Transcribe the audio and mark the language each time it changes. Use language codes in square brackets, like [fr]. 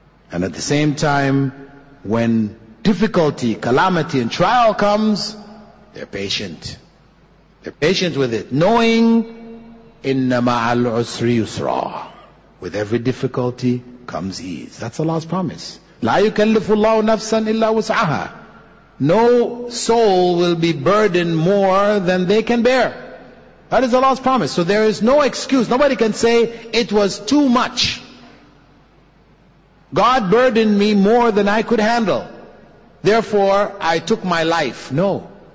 [en] And at the same time, when difficulty, calamity and trial comes, they're patient. They're patient with it, knowing [ar] inna ma'al usri yusra. [en] With every difficulty comes ease. That's Allah's promise. [ar] لا يكلف الله نفسا إلا وسعها. [en] No soul will be burdened more than they can bear. That is Allah's promise. So there is no excuse. Nobody can say it was too much. God burdened me more than I could handle. Therefore, I took my life. No.